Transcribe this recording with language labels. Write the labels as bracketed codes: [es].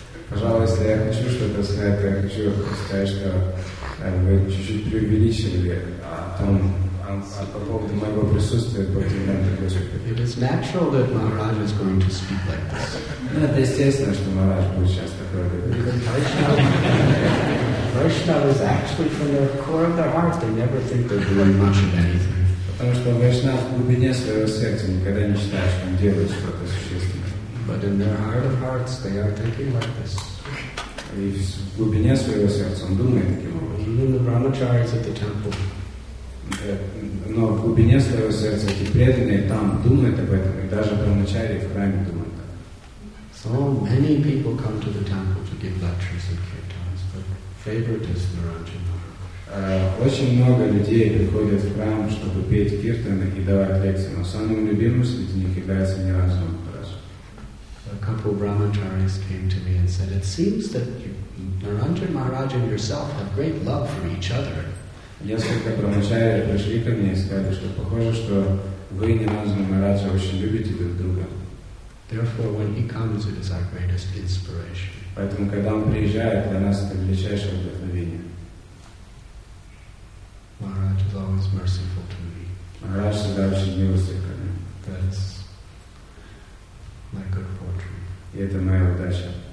[ru] Пожалуйста, я хочу что-то сказать. Я хочу сказать, что вы чуть-чуть преувеличили по поводу моего присутствия против Нанды Госпиты. [en] It is natural that Maharaj is going to speak like this. [ru] Ну, это естественно, что Maharaj будет сейчас такой говорить. [en] Vaishnava is actually from the core of their hearts. They never think they're doing much of anything. [ru] Потому что Vaishnava в глубине своего сердца никогда не считает, что он делает что-то существенное. [en] But in their heart of hearts, they are thinking like this. [ru] И в глубине своего сердца он думает таким образом. [en] Even the brahmacharis at the temple. [ru] Но в глубине своего сердца эти преданные там думают об этом, и даже брахмачари в храме думают. [en] So many people come to the temple to give lectures and kirtans, but favorite is Naranja Maharaj. [ru] Очень много людей приходят в храм, чтобы петь киртаны и давать лекции, но самым любимым среди них является Наранджа Махарадж. [en] A couple of brahmacharis came to me and said, it seems that Naranjan Maharaj and yourself have great love for each other. [ru] Несколько брахмачари пришли ко мне и сказали, что похоже, что вы и Наранджан Махарадж очень любите друг друга. [en] Therefore, when he comes, it is our greatest inspiration. [ru] Поэтому, когда он приезжает, для нас это величайшее вдохновение. [en] Maharaj is always merciful to me. [ru] Maharaj всегда очень милостив ко мне. [en] My good fortune. [ru] И это моя удача.